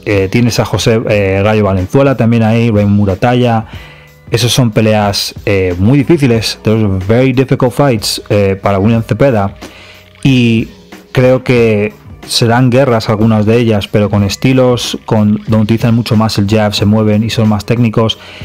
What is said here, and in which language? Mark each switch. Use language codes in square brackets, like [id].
[es] Tienes a José Rayo Valenzuela también ahí, Raymond Muratalla. Esas son peleas muy difíciles. [en] Those are very difficult fights [es] para William Cepeda. Y creo que serán guerras algunas de ellas, pero con estilos con, donde utilizan mucho más el jab, se mueven y son más técnicos.